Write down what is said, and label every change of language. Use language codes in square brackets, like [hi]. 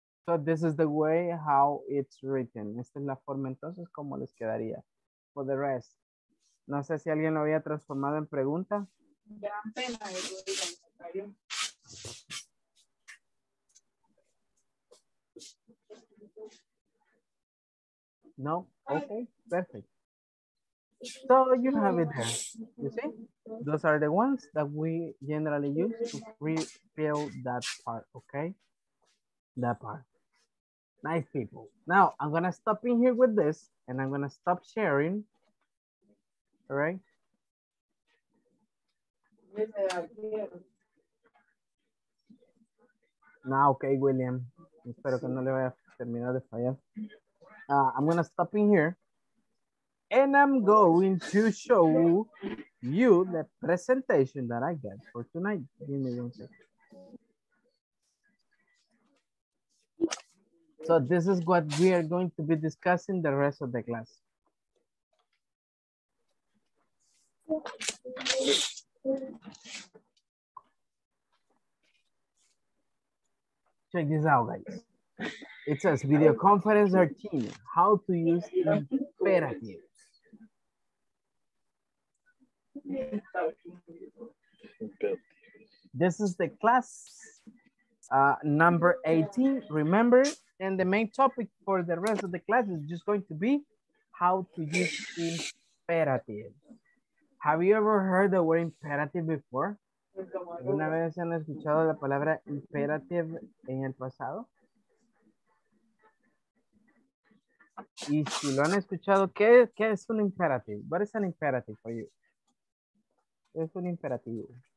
[en] So this is the way how it's written. [es] Esta es la forma, entonces, ¿cómo les quedaría? [en] For the rest. [es] No sé si alguien lo había transformado en pregunta. Gran pena, [en] no, okay, perfect. So you have it there. You see, those are the ones that we generally use to refill that part. Okay, that part. Nice people. Now I'm gonna stop in here with this and I'm gonna stop sharing. All right. No, okay, William. [es] Espero que no le vaya a terminar de fallar. [en] I'm going to stop in here and I'm going to show you the presentation that I got for tonight. Give me 1 second. So this is what we are going to be discussing the rest of the class. Check this out, guys. It says video conference routine, how to use imperatives. This is the class number 18, remember? And the main topic for the rest of the class is just going to be how to use imperatives. Have you ever heard the word imperative before? [es] ¿Alguna vez han escuchado la palabra imperative en el pasado? Y si lo han escuchado, ¿qué es un imperativo? [en] What is an imperative for you? [es] ¿Qué es un imperativo?